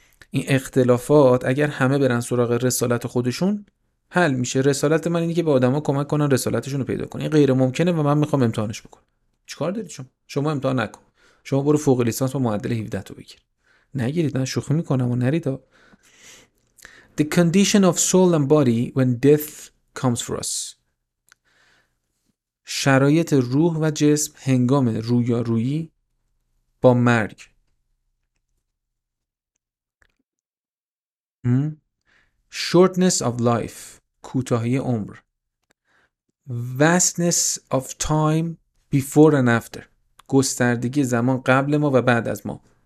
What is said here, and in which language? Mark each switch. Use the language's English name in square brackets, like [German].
[Persian] این اختلافات اگر همه برن سراغ رسالت خودشون حل میشه. رسالت من اینه که به آدما کمک کنن رسالتشون رو پیدا کنن. این غیر ممکنه و من میخوام امتحانش بکنم. چیکار دارید شما؟ شما امتحان نکن. شما برو فوق لیسانس با معدل 17 تو بگیر. نگیرید، من شوخی میکنم و نرید. [English] The condition of soul and body when death comes for us. [Persian] شرایط روح و جسم هنگام رویارویی با مرگ. [English] Shortness of life، [Persian] کوتاهی عمر. [English] Vastness of time before and after، [Persian] گستردگی زمان قبل ما و بعد از ما.